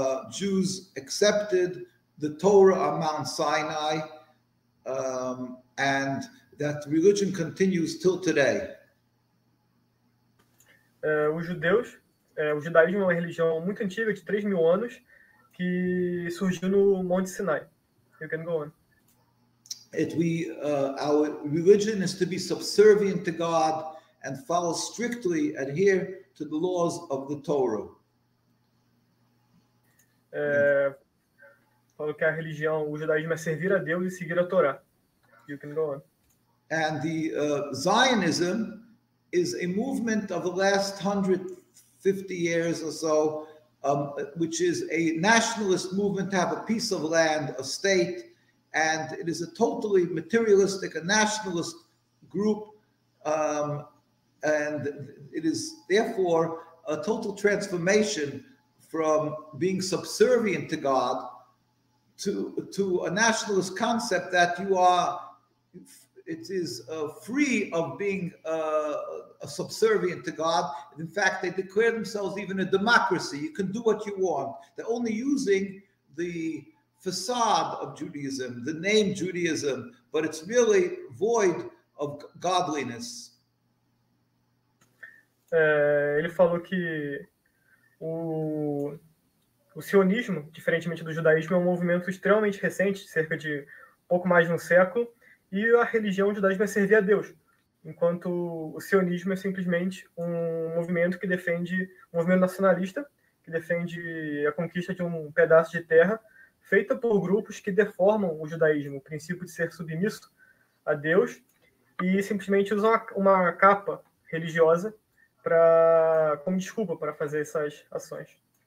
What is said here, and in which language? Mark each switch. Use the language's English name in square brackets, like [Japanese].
[English] Jews accepted the Torah on Mount Sinai, and that religion continues till today. [Portuguese] O judaísmo é uma religião muito antiga, de 3 mil anos, que surgiu no Monte Sinai. [English] You can go on. Our religion is to be subservient to God and follow strictly, adhere to the laws of the Torah. [Portuguese] Falou que a religião, o judaísmo é servir a Deus e seguir a Torá. [English] You can go on. And the Zionism is a movement of the last 150 years or so, which is a nationalist movement to have a piece of land, a state, and it is a totally materialistic, a nationalist group, and it is therefore a total transformation from being subservient to God to a nationalist concept that you are, it is free of being subservient to God. In fact, they declare themselves even a democracy. You can do what you want. They're only using the facade of Judaism, the name Judaism, but it's really void of godliness. [Portuguese] Ele falou que o sionismo, diferentemente do judaísmo, é um movimento extremamente recente, cerca de pouco mais de um século, e a religião judaísmo é servir a Deus, enquanto o sionismo é simplesmente um movimento que defende, um movimento nacionalista, que defende a conquista de um pedaço de terra feita por grupos que deformam o judaísmo, o princípio de ser submisso a Deus, e simplesmente usam uma capa religiosa para, como desculpa para fazer essas ações.